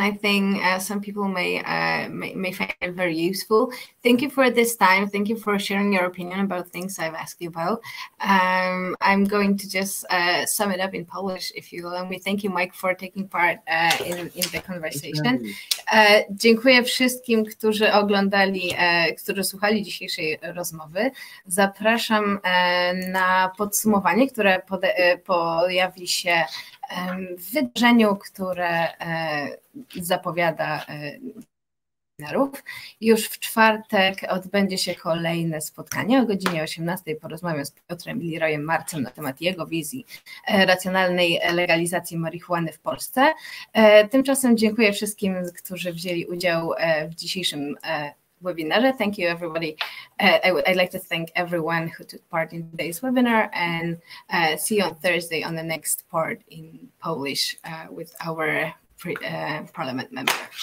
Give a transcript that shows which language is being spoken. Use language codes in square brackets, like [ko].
[en] I think some people may find it very useful. Thank you for this time. Thank you for sharing your opinion about things I've asked you about. I'm going to just sum it up in Polish, if you allow me. Thank you, Mike, for taking part in the conversation. [pl] Dziękuję wszystkim, którzy oglądali, którzy słuchali dzisiejszej rozmowy. Zapraszam na podsumowanie, które pojawi się w wydarzeniu, które zapowiada seminarów. Już w czwartek odbędzie się kolejne spotkanie o godzinie 18. Porozmawiam z Piotrem Lirojem Marcem na temat jego wizji racjonalnej legalizacji marihuany w Polsce. Tymczasem dziękuję wszystkim, którzy wzięli udział w dzisiejszym webinarze. [en] Thank you everybody. I'd like to thank everyone who took part in today's webinar and see you on Thursday on the next part in Polish with our parliament member.